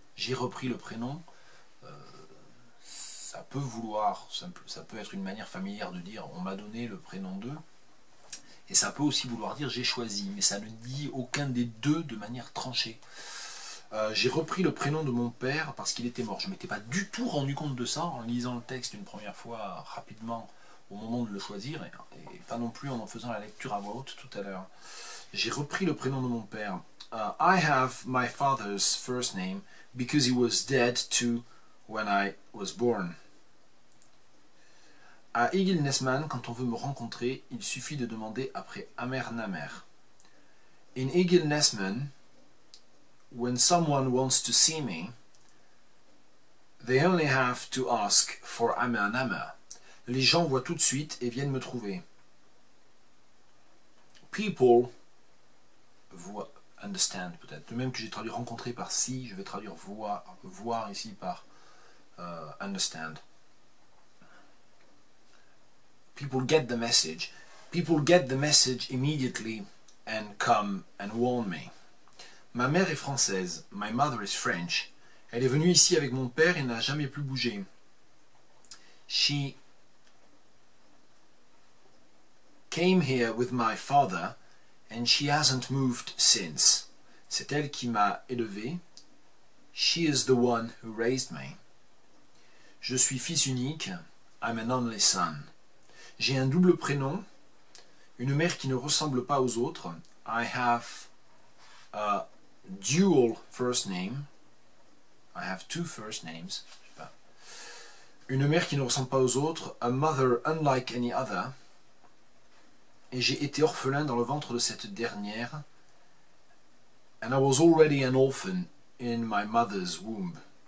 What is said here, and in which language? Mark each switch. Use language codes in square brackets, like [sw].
[fr] J'ai repris le prénom. Ça peut vouloir, ça peut être une manière familière de dire on m'a donné le prénom de, et ça peut aussi vouloir dire j'ai choisi, mais ça ne dit aucun des deux de manière tranchée. J'ai repris le prénom de mon père parce qu'il était mort. Je ne m'étais pas du tout rendu compte de ça en lisant le texte une première fois rapidement au moment de le choisir, et pas non plus en faisant la lecture à voix haute tout à l'heure. J'ai repris le prénom de mon père. [en] I have my father's first name because he was dead too when I was born. [fr] À Igilnesman, quand on veut me rencontrer, il suffit de demander après Amer Namer. [en] In Igilnesman, when someone wants to see me, they only have to ask for Amer Namer. [fr] Les gens voient tout de suite et viennent me trouver. [en] People [fr] voient, [en] understand [fr] peut-être. De même que j'ai traduit rencontrer par si, je vais traduire voir ici par understand. [en] People get the message immediately and come and warn me. [fr] Ma mère est française. [en] My mother is French. [fr] Elle est venue ici avec mon père et n'a jamais plus bougé. [en] She came here with my father and she hasn't moved since. [fr] C'est elle qui m'a élevé. [en] She is the one who raised me. [fr] Je suis fils unique. [en] I'm an only son. [fr] J'ai un double prénom, une mère qui ne ressemble pas aux autres. [en] I have a dual first name. I have two first names. [fr] Je sais pas. Une mère qui ne ressemble pas aux autres. [en] A mother unlike any other. [fr] Et j'ai été orphelin dans le ventre de cette dernière. [en] And I was already an orphan in my mother's womb.